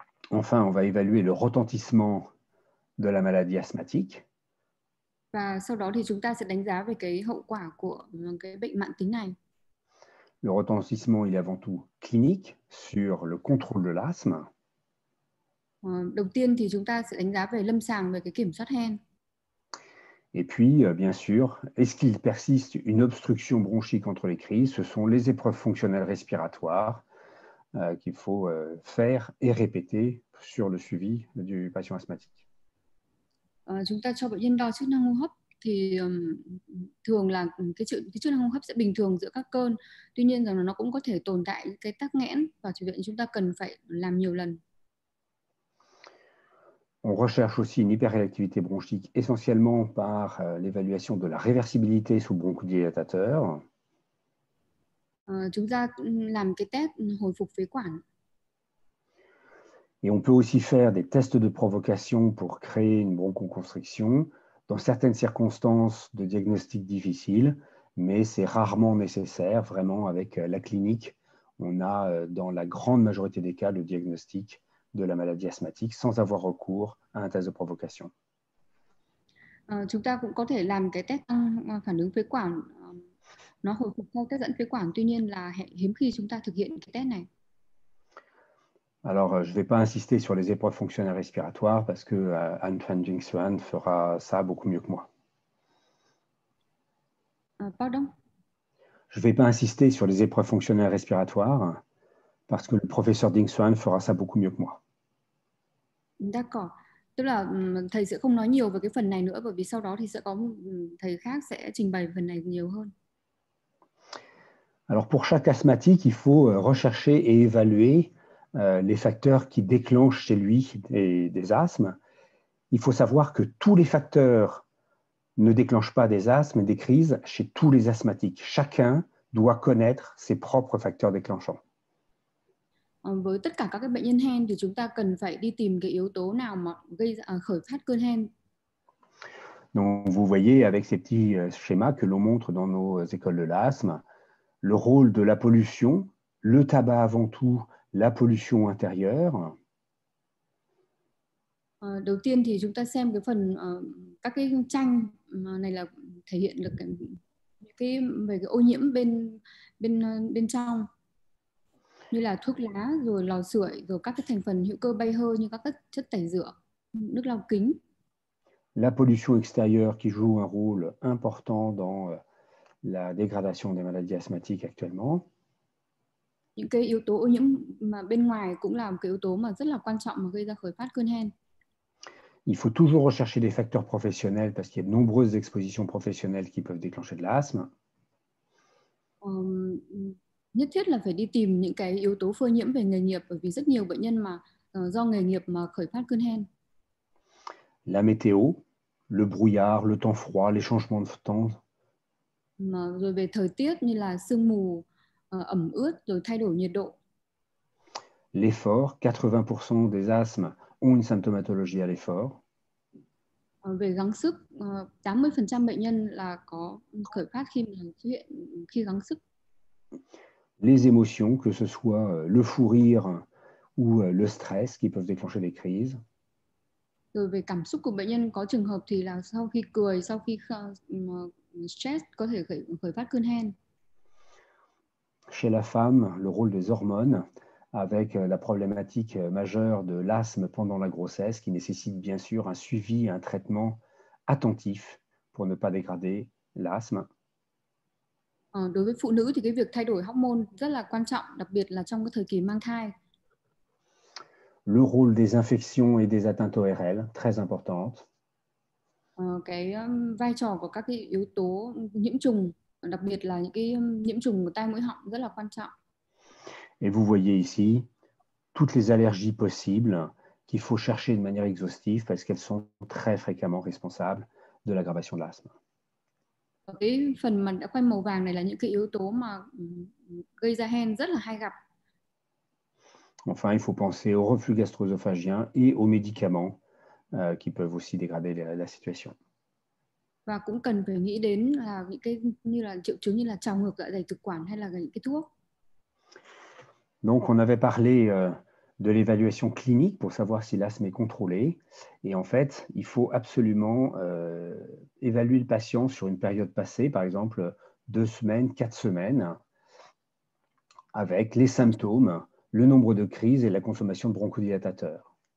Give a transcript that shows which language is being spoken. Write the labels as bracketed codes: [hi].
[fr] Enfin, on va évaluer le retentissement de la maladie asthmatique. [vi] Và sau đó thì chúng ta sẽ đánh giá về cái hậu quả của cái bệnh mãn tính này. [fr] Le retentissement, il est avant tout clinique sur le contrôle de l'asthme. [vi] Đầu tiên thì chúng ta sẽ đánh giá về lâm sàng về cái kiểm soát hen. [fr] Et puis, bien sûr, est-ce qu'il persiste une obstruction bronchique entre les crises? Ce sont les épreuves fonctionnelles respiratoires qu'il faut faire et répéter sur le suivi du patient asthmatique. [vi] Chúng ta cho bệnh nhân đo chức năng hô hấp thì thường là cái chức năng hô hấp sẽ bình thường giữa các cơn. Tuy nhiên rằng là nó cũng có thể tồn tại cái tắc nghẽn và chúng ta cần phải làm nhiều lần. [fr] On recherche aussi une hyperréactivité bronchique essentiellement par l'évaluation de la réversibilité sous bronchodilatateur. [vi] Chúng ta làm cái test hồi phục phế quản. [fr] Et on peut aussi faire des tests de provocation pour créer une bronchoconstriction dans certaines circonstances de diagnostic difficile, mais c'est rarement nécessaire. Vraiment, avec la clinique, on a dans la grande majorité des cas le diagnostic de la maladie asthmatique sans avoir recours à un test de provocation. [vi] Chúng ta cũng có thể làm cái test tăng phản ứng phế quản nó hồi phục theo test dẫn phế quản, tuy nhiên là hiếm khi chúng ta thực hiện cái test này. [fr] Alors, je ne vais pas insister sur les épreuves fonctionnelles respiratoires parce que Antoine Jingxuan fera ça beaucoup mieux que moi. Pardon. Je ne vais pas insister sur les épreuves fonctionnelles respiratoires parce que le professeur Jingxuan fera ça beaucoup mieux que moi. D'accord. [vi] Tức là thầy sẽ không nói nhiều về cái phần này nữa bởi vì sau đó thì sẽ có thầy khác sẽ trình bày phần này nhiều hơn. [fr] Alors, pour chaque asthmatique, il faut rechercher et évaluer les facteurs qui déclenchent chez lui des asthmes. Il faut savoir que tous les facteurs ne déclenchent pas des asthmes et des crises chez tous les asthmatiques. Chacun doit connaître ses propres facteurs déclenchants. [vi] Với tất cả các cái bệnh nhân hen thì chúng ta cần phải đi tìm cái yếu tố nào mà gây ra, khởi phát cơn hen. [fr] Donc, vous voyez avec ces petits schémas que l'on montre dans nos écoles de l'asthme, le rôle de la pollution, le tabac avant tout, la pollution intérieure. [vi] Đầu tiên thì chúng ta xem cái phần các cái tranh này là thể hiện được cái về cái ô nhiễm bên bên bên trong. Như là thuốc lá, rồi lò sưởi, rồi các cái thành phần hữu cơ bay hơi như các chất tẩy rửa. Nước lọc kính. [fr] La pollution extérieure qui joue un rôle important dans la dégradation des maladies asthmatiques actuellement. [vi] Những cái yếu tố ô nhiễm mà bên ngoài cũng là một cái yếu tố mà rất là quan trọng mà gây ra khởi phát cơn hen. [fr] Il faut toujours rechercher des facteurs professionnels parce qu'il y a de nombreuses expositions professionnelles qui peuvent déclencher de l'asthme. [vi] Nhất thiết là phải đi tìm những cái yếu tố phơi nhiễm về nghề nghiệp, bởi vì rất nhiều bệnh nhân mà do nghề nghiệp mà khởi phát cơn hen. [fr] La météo, le brouillard, le temps froid, les changements de temps. [vi] Mà rồi về thời tiết như là sương mù, ẩm ướt, rồi thay đổi nhiệt độ. [fr] L'effort, 80% des asthmes ont une symptomatologie à l'effort. [vi] Về gắng sức, 80% bệnh nhân là có khởi phát khi mà xuất hiện khi gắng sức. [fr] Les émotions, que ce soit le fou rire ou le stress qui peuvent déclencher des crises. [vi] Rồi về cảm xúc của bệnh nhân, có trường hợp thì là sau khi cười, sau khi stress có thể khởi phát cơn hen. [fr] Chez la femme, le rôle des hormones, avec la problématique majeure de l'asthme pendant la grossesse, qui nécessite bien sûr un suivi, un traitement attentif pour ne pas dégrader l'asthme. [vi] Đối với phụ nữ thì cái việc thay đổi hormone rất là quan trọng, đặc biệt là trong cái thời kỳ mang thai. [fr] Le rôle des infections et des atteintes ORL, très importante. [vi] Cái vai trò của các cái yếu tố nhiễm trùng, đặc biệt là những cái nhiễm trùng của tai mũi họng rất là quan trọng. [fr] Et vous voyez ici toutes les allergies possibles qu'il faut chercher de manière exhaustive parce qu'elles sont très fréquemment responsables de l'aggravation de l'asthme. [vi] Cái phần mà đã quay màu vàng này là những cái yếu tố mà gây ra hen rất là hay gặp. [fr] Enfin, il faut penser au reflux gastro-œsophagien et aux médicaments qui peuvent aussi dégrader la situation. [vi] Và cũng cần phải nghĩ đến là những cái như là triệu chứng như là trào ngược dạ dày thực quản hay là những cái thuốc. [fr] Donc, on avait parlé de l'évaluation clinique pour savoir si l'asthme est contrôlé. Et en fait, il faut absolument évaluer le patient sur une période passée, par exemple 2 semaines, 4 semaines, avec les symptômes, le nombre de crises et la consommation de bronchodilatateurs.